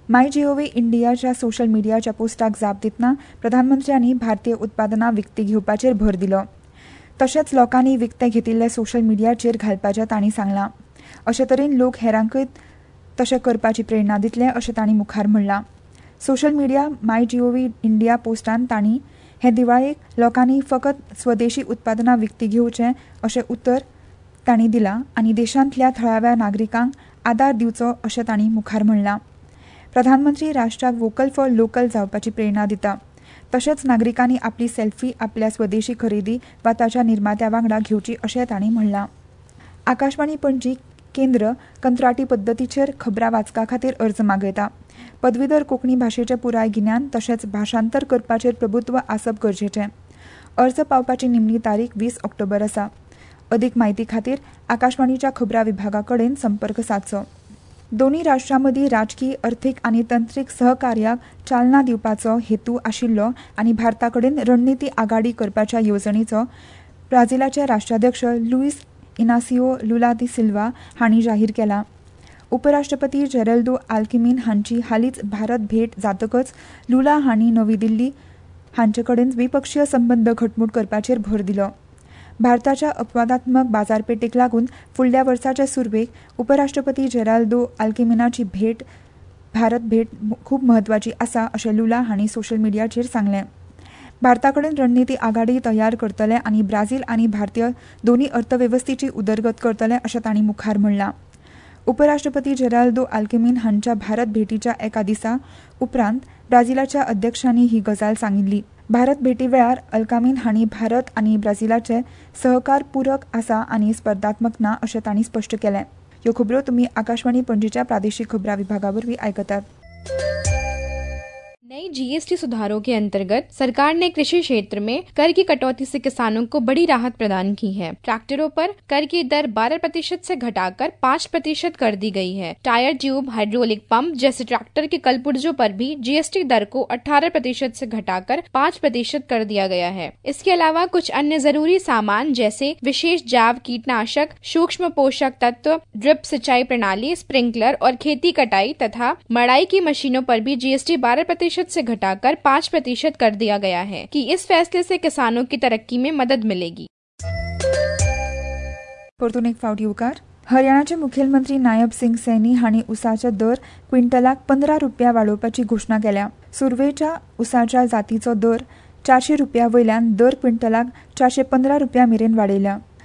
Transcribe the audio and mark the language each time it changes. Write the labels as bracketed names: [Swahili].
[Goan Konkani] माय gov इंडियाच्या social मिडियाच्या पोस्टाक जाप दितना प्रधानमंत्र्यांनी भारतीय उत्पादनां विकती घेवपाचेर भर दिलो. तशेंच लोकांनी विकते घेतिल्ले सोशल मिडियाचेर घालपाचें तांणी सांगलां. अशे तरेन लोक हेरांकय तशें करपाची प्रेरणा दितले अशें तांणी मुखार म्हणलां. सोशल मिडिया माय जीओव्ही इंडिया पोस्टान तांणी हे दिवाळेक लोकांनी फकत स्वदेशी उत्पादनां विकती घेवचें अशें उतर तांणी दिला आनी देशांतल्या थळाव्या नागरिकांक आदार दिवचो अशें तांणी मुखार म्हणलां. प्रधानमंत्री राष्ट्राक वोकल फॉर लोकल जावपाची प्रेरणा दिता. तशेंच नागरिकांनी आपली सेल्फी आपल्या स्वदेशी खरेदी वा ताच्या निर्मात्या वांगडा घेवची अशें तांणी म्हणलां. आकाशवाणी पणजी केंद्र कंत्राटी पद्दतीचेर खबरां वाचपा खातीर अर्ज मागयता. पदवीधर कोंकणी भाशेचें पुराय गिन्यान तशेंच भाशांतर करपाचेर प्रभुत्व आसप गरजेचें. अर्ज पावपाची निमणी तारीख 20 ऑक्टोबर आसा. अधिक माहिती खातीर आकाशवाणीच्या खबरां विभागाकडेन संपर्क साधचो. दोनी राष्ट्रांमदी राजकीय, अर्थिक आनी तंत्रीक सहकार्याक चालना दिवपाचो हेतू आशिल्लो आनी भारताकडेन रणनीती आघाडी करपाच्या येवजणेचो ब्राझीलाचे राष्ट्राध्यक्ष लुईस इनासियो लुला दी सिल्वा हांणी जाहीर केला. उपराष्ट्रपती जेरेल्दो आल्किमीन हांची हालींच भारत भेट जातकच लुला हांणी नवी दिल्ली हांचे कडेन द्विपक्षीय संबंध घटमूट करपाचेर भर दिलो. भारताच्या अपवादात्मक बाजारपेठेक लागून फुडल्या वर्साच्या सुरवेक उपराष्ट्रपती जेराल्दो आल्किमिनाची भेट भारत भेट खूप म्हत्वाची आसा अशें लुला हांणी सोशल मिडियाचेर सांगले. भारताकडेन रणनीती आघाडी तयार करतले आनी ब्राझील आनी भारतीय दोनी अर्थवेवस्थेची उदरगत करतले अशें तांणी मुखार म्हणला. उपराष्ट्रपती जेराल्दो आल्किमीन हांच्या भारत भेटीच्या एका दिसा उपरांत ब्राझीलाच्या अध्यक्षांनी ही गजाल सांगिल्ली. भारत भेटी वेळार अल्कामीन हांणी भारत आनी ब्राझीलाचे सहकार पूरक आसा आनी स्पर्धात्मक ना अशें तांणी स्पश्ट केले. ह्यो खबरो तुमी आकाशवाणी पणजीच्या प्रादेशिक खबरां विभागावरवी आयकतात. [Hindi] नई जीएसटी सुधारों के अंतर्गत सरकार ने कृषि क्षेत्र में कर की कटौती से किसानों को बड़ी राहत प्रदान की है। ट्रैक्टरों पर कर की दर 12% से घटाकर 5% कर दी गई है। टायर ट्यूब, हाइड्रोलिक पंप जैसे ट्रैक्टर के कलपुर्जों पर भी जीएसटी दर को 18% से घटाकर 5% कर दिया गया है। इसके अलावा कुछ अन्य जरूरी सामान जैसे विशेष जैव कीटनाशक, सूक्ष्म पोषक तत्व, ड्रिप सिंचाई प्रणाली, स्प्रिंकलर और खेती कटाई तथा मड़ाई की मशीनों पर भी जीएसटी 12% से घटाकर 5% कर दिया गया है कि इस फैसले से किसानों की तरक्की में मदद मिलेगी। [Goan Konkani] परतून एक फाउट युकार, हरियाणाचे मुख्यमंत्री नायब सिंग सैनी हानी उसाचा दर क्विंटलाक 15 रुपया वाढवपाची घोषणा केल्या। सुर्वेच्या उसाचा जातीचो दर 400 रुपया वयल्यान दर क्विंटलाक 415 रुपया मेरेन वाढयला।